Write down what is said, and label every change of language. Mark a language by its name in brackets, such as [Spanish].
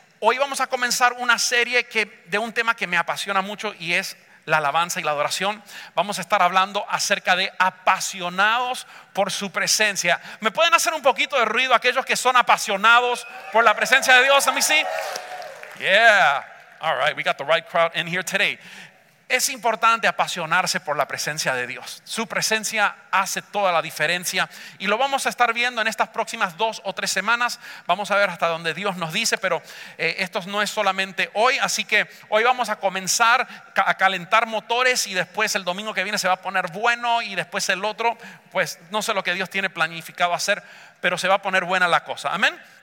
[Spanish] Hoy vamos a comenzar una serie de un tema que me apasiona mucho, y es la alabanza y la adoración. Vamos a estar hablando acerca de apasionados por su presencia. ¿Me pueden hacer un poquito de ruido aquellos que son apasionados por la presencia de Dios? A mí sí. [English] Yeah. All right, we got the right crowd in here today. [Spanish] Es importante apasionarse por la presencia de Dios. Su presencia hace toda la diferencia, y lo vamos a estar viendo en estas próximas 2 o 3 semanas. Vamos a ver hasta donde Dios nos dice, pero esto no es solamente hoy. Así que hoy vamos a comenzar a calentar motores, y después el domingo que viene se va a poner bueno, y después el otro, pues no sé lo que Dios tiene planificado hacer, pero se va a poner buena la cosa. Amén.